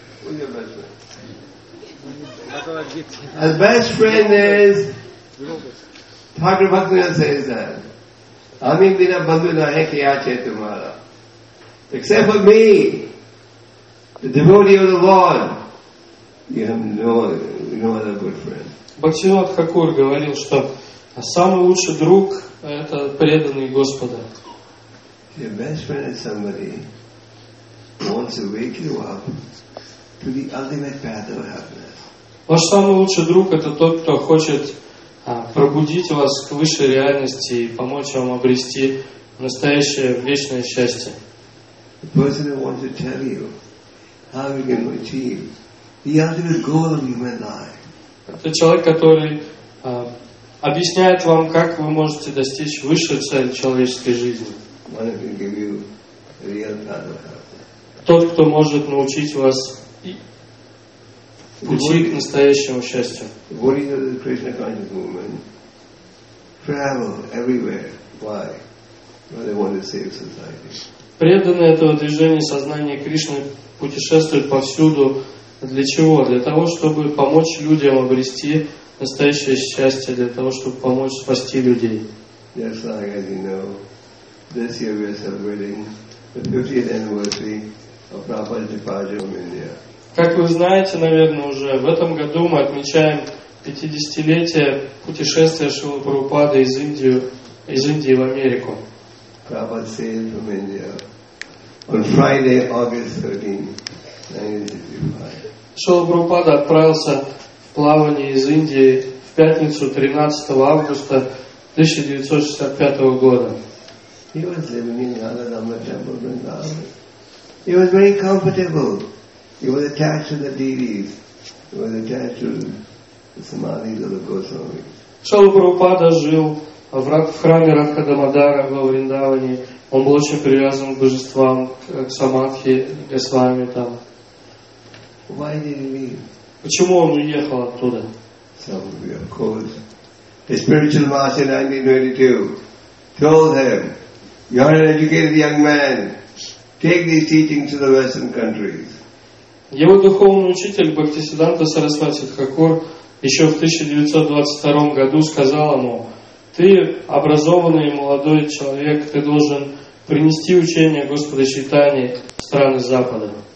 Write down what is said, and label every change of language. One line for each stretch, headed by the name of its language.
English: Your best friend is Thakur Bhaktivinoda says that.
Bangla: Ami bina bandhu nahe kya chahe tumhara.
English: Except for me, the devotee of the Lord, you have no other good friend.
Russian: Бхактивинод Хакур говорил, что самый лучший друг — это преданный Господа.
English: Your best friend is somebody who wants to wake you up to the ultimate path of happiness.
Russian: Ваш самый лучший друг — это тот, кто хочет пробудить вас к высшей реальности и помочь вам обрести настоящее вечное счастье.
English: The person who wants to tell you how you can achieve the ultimate goal of human life.
Russian: Это человек, который объясняет вам, как вы можете достичь высшей цели человеческой жизни.
English: One who can give you real path.
Russian: Тот, кто может научить вас пути к настоящему счастью.
English: Devotees of the Krishna conscious movement travel everywhere. Why? Because they want to save society.
Russian: Преданные этого движения сознания Кришны путешествуют повсюду. Для чего? Для того, чтобы помочь людям обрести настоящее счастье, для того, чтобы помочь спасти людей.
English: Just like, as you know, This year we are celebrating the 50th anniversary of Prabhupada's departure from India.
Russian: Как вы знаете, наверное, уже в этом году мы отмечаем 50-летие путешествия Шрилы Прабхупады из Индии в Америку.
English: Prabhupada sailed from India on Friday, August 13, 1965.
Russian: Шрила Прабхупада отправился в плавание из Индии в пятницу 13 августа 1965 года.
English: He was living in Yaladama Temple, Vrindavan. He was very comfortable. He was attached to the devis. He was attached to the samadhis of the Goswamis.
Russian: Шрила Прабхупада жил в храме Радхадамодара во Вриндаване. Он был очень привязан к божествам, к самадхи, к Госвами там.
English: Why did he leave?
Russian: Почему он уехал оттуда?
English: Some of you, of course. The spiritual master in 1922 told him, "You are an educated young man. Take these teachings to the Western countries."
Russian: Его духовный учитель Бхактисиддханта Сарасвати Тхакур еще в 1922 году сказал ему: «Ты образованный молодой человек, ты должен принести учение Господа Чайтани в страны Запада».